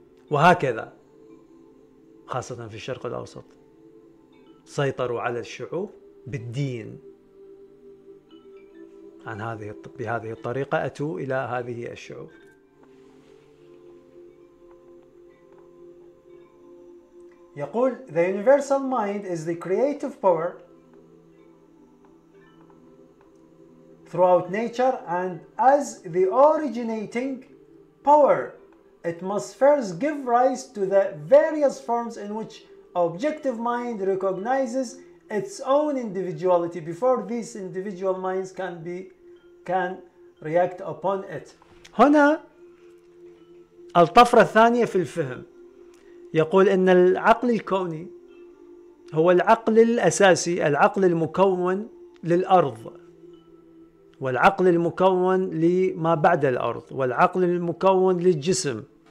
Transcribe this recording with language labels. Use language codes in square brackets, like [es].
[ar] وهكذا خاصة في الشرق الأوسط سيطروا على الشعوب بالدين، عن هذه بهذه الطريقة أتوا إلى هذه الشعوب. يقول [en] the universal mind is the creative power throughout nature and as the originating power it must first give rise to the various forms in which objective mind recognizes its own individuality before these individual minds can be can react upon it. [ar] هنا الطفرة الثانية في الفهم، يقول إن العقل الكوني هو العقل الأساسي، العقل المكون للأرض، والعقل المكون لما بعد الأرض، والعقل المكون للجسم.